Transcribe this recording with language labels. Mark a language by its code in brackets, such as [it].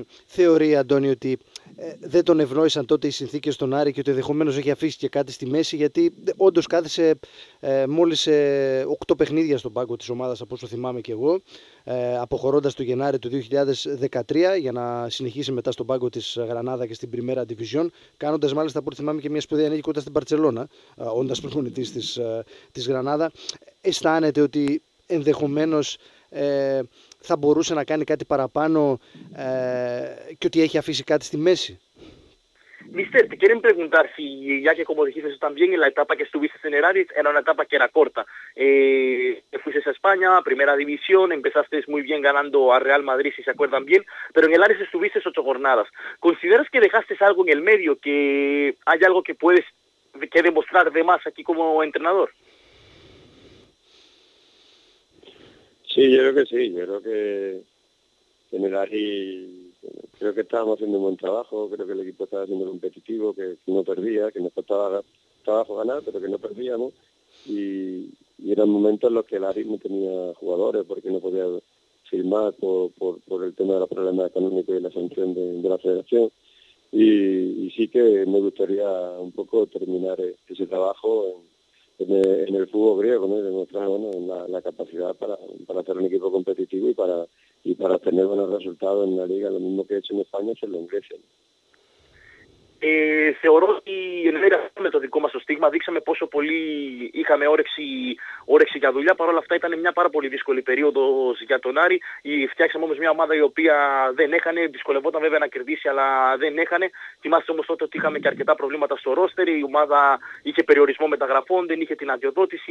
[el] Θεωρεί, Αντώνη, ότι δεν τον ευνόησαν τότε οι συνθήκες στον Άρη και ότι ενδεχομένως έχει αφήσει και κάτι στη μέση, γιατί όντως κάθισε μόλις 8 παιχνίδια στον πάγκο της ομάδας, από όσο θυμάμαι και εγώ, αποχωρώντας το Γενάρη του 2013 για να συνεχίσει μετά στον πάγκο της Γρανάδα και στην Πριμέρα Division, κάνοντας μάλιστα, που θυμάμαι, και μια σπουδαία νίκη κοντά στην Μπαρτσελώνα, όντας προπονητής της Γρανάδα. Αισθάνεται ότι ενδεχομένως θα μπορούσε να κάνει κάτι παραπάνω και ότι έχει αφήσει κάτι στη μέση? [es] Mister, te quieren preguntar si ya que, como dijiste también, en la etapa que estuviste en el Aris era una etapa que era corta. Fuiste a España, primera división, empezaste muy bien ganando a Real Madrid, si se acuerdan bien, pero en el Aris estuviste 8 jornadas. ¿Consideras que dejaste algo en el medio, que hay algo que puedes que demostrar de más aquí como entrenador? Sí, yo creo que sí. Yo creo que en el Aris, creo que estábamos haciendo un buen trabajo, creo que el equipo estaba siendo competitivo, que no perdía, que nos costaba trabajo ganar, pero que no perdíamos. Y eran momentos en los que el Aris no tenía jugadores, porque no podía firmar por el tema de los problemas económicos y la sanción de la federación. Y sí que me gustaría un poco terminar ese trabajo en el fútbol griego, ¿no? Y demostrar, bueno, la capacidad para hacer un equipo competitivo y para tener buenos resultados en la liga, lo mismo que he hecho en España, se lo ingresé. [el] Θεωρώ ότι εν μέρει με το δικό μας το στίγμα δείξαμε πόσο πολύ είχαμε όρεξη για δουλειά. Παρ' όλα αυτά ήταν μια πάρα πολύ δύσκολη περίοδος για τον Άρη. Φτιάξαμε όμως μια ομάδα η οποία δεν έχανε, δυσκολευόταν βέβαια να κερδίσει, αλλά δεν έχανε. Θυμάστε όμως τότε ότι είχαμε και αρκετά προβλήματα στο ρόστερ. Η ομάδα είχε περιορισμό μεταγραφών, δεν είχε την αδειοδότηση.